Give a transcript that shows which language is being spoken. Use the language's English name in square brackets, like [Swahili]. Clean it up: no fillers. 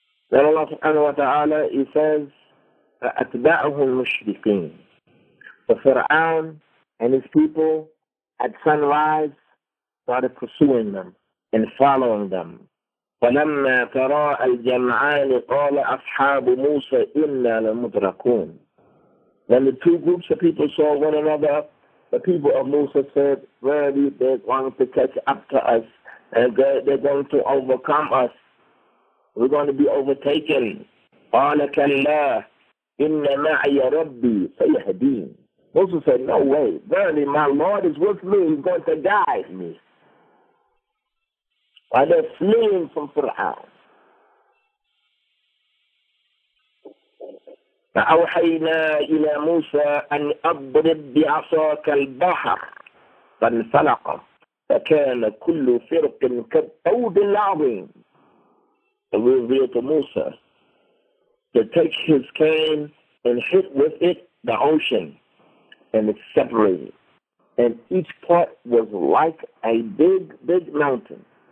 [English] Then Allah subhanahu wa ta'ala, He says, [Arabic] فَأَتْبَعُهُ الْمُشْرِقِينَ [English] So Fir'aun and his people at sunrise started pursuing them and following them. [Arabic] فلما ترى الجمعان قال أصحاب موسى إنا لمدركون. [English] When the two groups of people saw one another, the people of Musa said, "Verily, they're going to catch up to us, and they're going to overcome us. We're going to be overtaken." [Arabic] قال كلا إن معي ربي سيهدين. [English] Moses said, "No way. Verily, my Lord is with me. He's going to guide me." While they're fleeing from Fir'aun. [Arabic] فأوحينا إلى موسى أن أضرب بعصاك البحر فانفلق فكان كل فرق كالطود العظيم. [English] And we revealed to Musa to take his cane and hit with it the ocean, and it separated. And each part was like a big, big mountain.